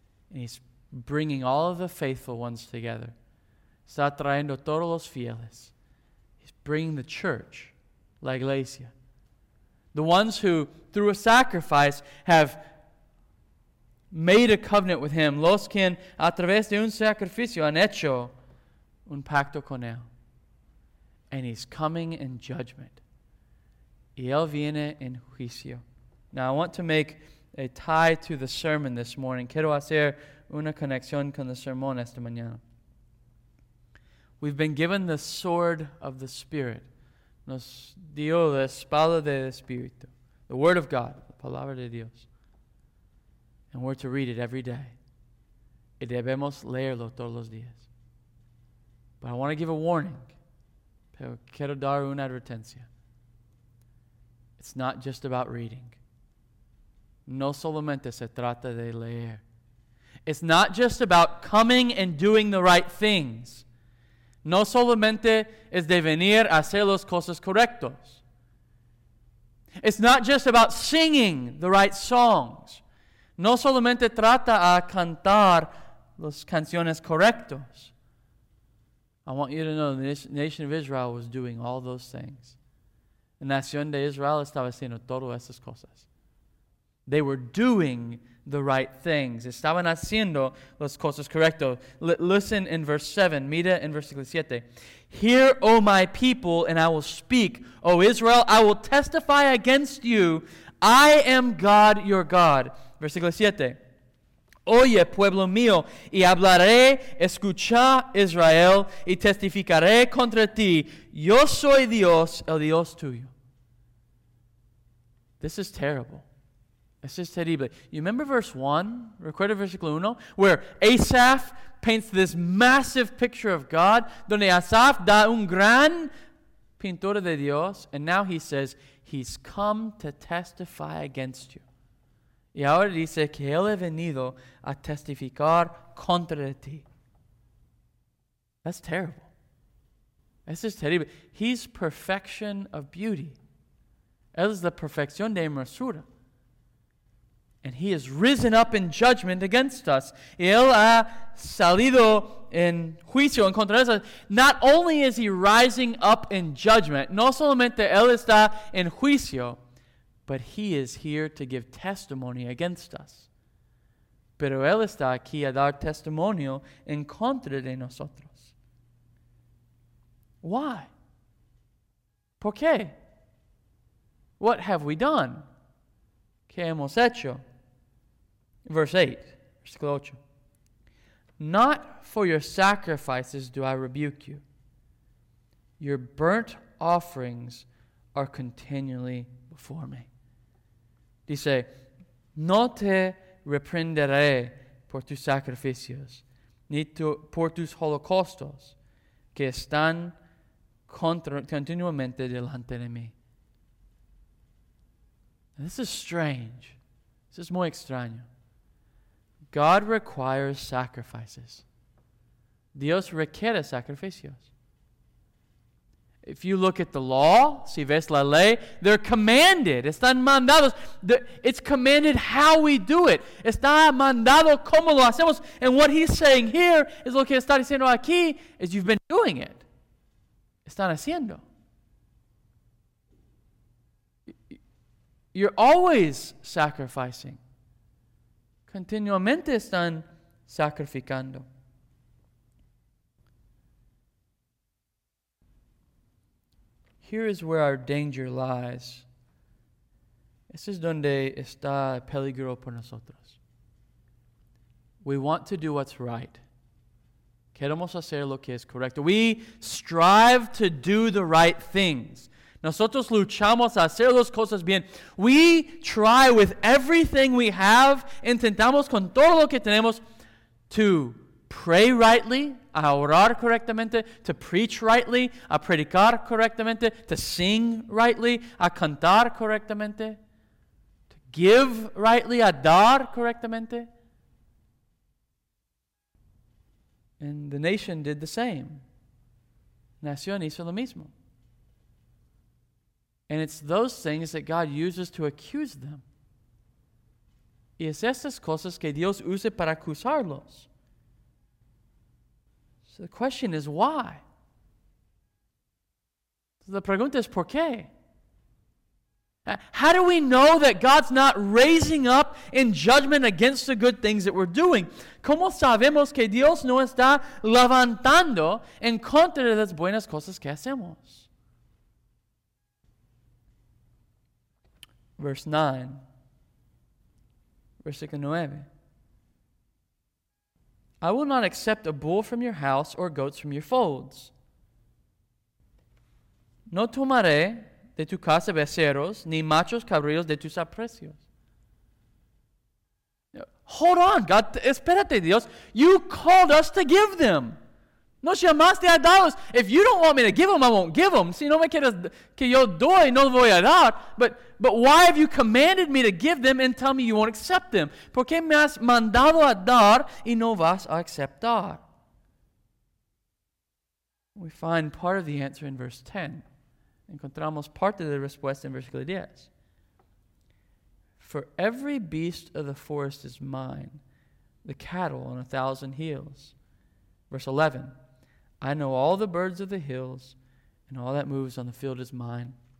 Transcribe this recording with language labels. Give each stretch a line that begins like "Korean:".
English: And he's bringing all of the faithful ones together.
Spanish: Está trayendo todos los fieles.
English: He's bringing the church,
Spanish: la iglesia.
English: The ones who, through a sacrifice, have made a covenant with him.
Spanish: Los que, a través de un sacrificio, han hecho un pacto con él.
English: And he's coming in judgment.
Spanish: Y él viene en juicio.
English: Now, I want to make a tie to the sermon this morning.
Spanish: Quiero hacer una conexión con el sermón esta mañana.
English: We've been given the sword of the Spirit.
Spanish: Nos dio la espada del Espíritu.
English: The Word of God.
Spanish: La palabra de Dios.
English: And we're to read it every day.
Spanish: Y debemos leerlo todos los días.
English: But I want to give a warning.
Spanish: Pero quiero dar una advertencia.
English: It's not just about reading.
Spanish: No solamente se trata de leer.
English: It's not just about coming and doing the right things.
Spanish: No solamente es de venir a hacer las cosas correctas.
English: It's not just about singing the right songs.
Spanish: No solamente trata a cantar las canciones correctas.
English: I want you to know the nation of Israel was doing all those things.
Spanish: La nación de Israel estaba haciendo todas esas cosas.
English: They were doing the right things.
Spanish: Estaban haciendo las cosas correctas.
English: Listen in verse 7.
Spanish: Mira en versículo 7.
English: Hear, O my people, and I will speak. O Israel, I will testify against you. I am God, your God.
Spanish: Versículo 7. Oye, pueblo mío, y hablaré, escucha, Israel, y testificaré contra ti. Yo soy Dios, el Dios tuyo.
English: this is terrible. It's just terrible. You remember verse 1,
Spanish: recuerda versículo 1,
English: where Asaph paints this massive picture of God,
Spanish: donde Asaph da un gran pintor de Dios,
English: and now he says, he's come to testify against you.
Spanish: Y ahora dice que él ha venido a testificar contra ti.
English: That's terrible. That's just terrible. He's perfection of beauty.
Spanish: Él es la perfección de hermosura.
English: And he has risen up in judgment against us.
Spanish: Y él ha salido en juicio en contra de nosotros.
English: Not only is he rising up in judgment,
Spanish: no solamente él está en juicio,
English: but he is here to give testimony against us.
Spanish: Pero él está aquí a dar testimonio en contra de nosotros.
English: Why?
Spanish: ¿Por qué?
English: What have we done?
Spanish: ¿Qué hemos hecho?
English: Verse 8,
Spanish: versículo 8.
English: Not for your sacrifices do I rebuke you. Your burnt offerings are continually before me.
Spanish: Dice, no te reprenderé por tus sacrificios, ni por tus holocaustos, que están continuamente delante de mí.
English: Now, this is strange. This is
Spanish: muy extraño.
English: God requires sacrifices.
Spanish: Dios requiere sacrificios.
English: If you look at the law,
Spanish: si ves la ley,
English: they're commanded.
Spanish: Están mandados.
English: It's commanded how we do it.
Spanish: Está mandado cómo lo hacemos.
English: And what he's saying here is
Spanish: lo que está diciendo aquí
English: is you've been doing it.
Spanish: Están haciendo.
English: You're always sacrificing.
Spanish: Continuamente están sacrificando.
English: Here is where our danger lies.
Spanish: Este es donde está el peligro por nosotros.
English: We want to do what's right.
Spanish: Queremos hacer lo que es correcto.
English: We strive to do the right things.
Spanish: Nosotros luchamos a hacer las cosas bien.
English: We try with everything we have,
Spanish: intentamos con todo lo que tenemos,
English: to pray rightly,
Spanish: a orar correctamente,
English: to preach rightly,
Spanish: a predicar correctamente,
English: to sing rightly,
Spanish: a cantar correctamente,
English: to give rightly,
Spanish: a dar correctamente.
English: And the nation did the same.
Spanish: Nación hizo lo mismo.
English: And it's those things that God uses to accuse them.
Spanish: Y es estas cosas que Dios usa para acusarlos.
English: So the question is, why?
Spanish: So the pregunta es, ¿por qué?
English: How do we know that God's not raising up in judgment against the good things that we're doing?
Spanish: ¿Cómo sabemos que Dios no está levantando en contra de las buenas cosas que hacemos?
English: Verse 9,
Spanish: versículo 9.
English: I will not accept a bull from your house or goats from your folds.
Spanish: No tomaré de tu casa becerros ni machos cabríos de tus aprecios.
English: Hold on, God,
Spanish: espérate, Dios.
English: You called us to give them.
Spanish: Nos llamaste a darlos.
English: If you don't want me to give them, I won't give them.
Spanish: Si no me quieres que yo doy, no voy a dar.
English: But why have you commanded me to give them and tell me you won't accept them?
Spanish: ¿Por qué me has mandado a dar y no vas a aceptar?
English: We find part of the answer in verse 10.
Spanish: Encontramos parte de la respuesta en versículo 10.
English: For every beast of the forest is mine, the cattle on 1,000 hills. Verse 11. I know all the birds of the hills, and all that moves on the field is mine.